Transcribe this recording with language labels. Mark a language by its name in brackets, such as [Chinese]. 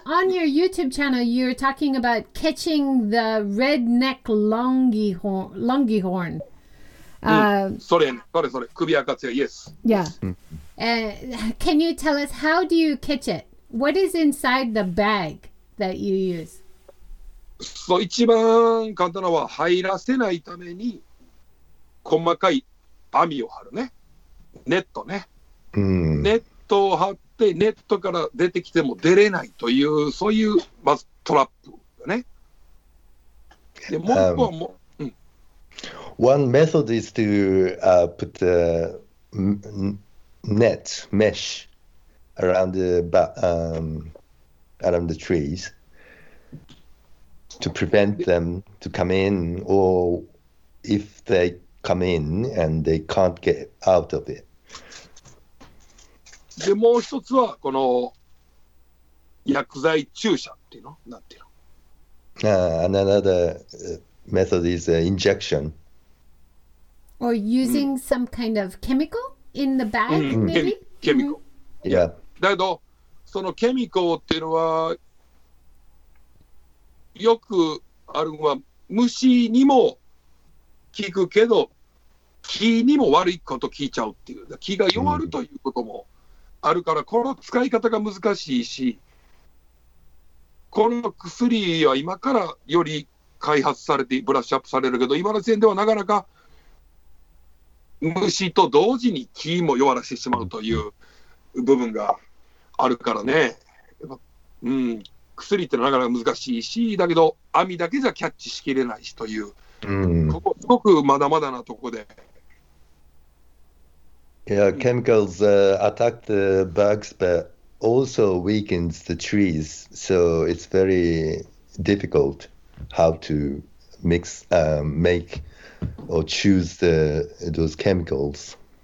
[English] On your YouTube channel, you're talking about catching the redneck longihorn. Sorry. 首赤つや, yes. Yeah. Can you tell us, how do you catch it? What is inside the bag that you use? So, [Japanese] 一番簡単なのは入らせないために細かい網を張るね。ネットね。ネットを張ってネットから出てきても出れないというそういうまずトラップだね。でもう一個はもう、 [English] One method is to put the net mesh. Around the trees to prevent them to come in, or if they come in and they can't get out of it. [Japanese] でもう一つはこの薬剤注射っていうの、なんていうの。 [English] Another method is injection. Or using some kind of chemical in the bag, maybe? Chemical. Yeah. [Japanese] だけどそのケミコっていうのはよくあるのは虫にも効くけど木にも悪いこと効いちゃうっていう木が弱るということもあるからこの使い方が難しいしこの薬は今からより開発されてブラッシュアップされるけど今の時点ではなかなか虫と同時に木も弱らせてしまうという部分があるからね、薬ってのはなかなか難しいし、だけど網だけじゃキャッチしきれないしという、ここすごくまだまだなとこで。 [English] Yeah, chemicals attack the bugs, but also weakens the trees. So it's very difficult how to mix, make or choose those chemicals.